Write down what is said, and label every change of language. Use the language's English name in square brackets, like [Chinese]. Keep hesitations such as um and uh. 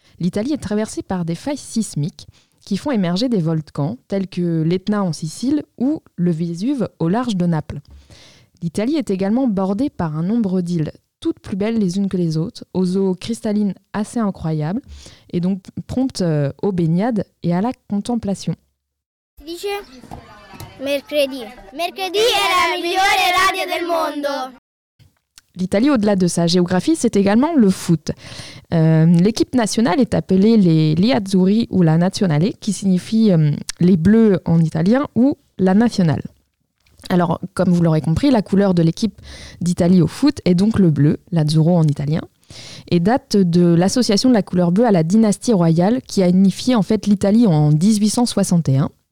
[French] L'Italie est traversée par des failles sismiques qui font émerger des volcans tels que l'Etna en Sicile ou le Vésuve au large de Naples. L'Italie est également bordée par un nombre d'îles, toutes plus belles les unes que les autres, aux eaux cristallines assez incroyables, et donc promptes euh, aux baignades et à la contemplation. [Italian] Si dice mercredi. Mercredi è la migliore radio del mondo. [French] L'Italie, au-delà de sa géographie, c'est également le foot. Euh, L'équipe nationale est appelée les Liazzurri ou la Nazionale, qui signifie euh, les bleus en italien ou la nationale. Alors, comme vous l'aurez compris, la couleur de l'équipe d'Italie au foot est donc le bleu, l'Azzurro en italien, et date de l'association de la couleur bleue à la dynastie royale qui a unifié en fait l'Italie en 1861.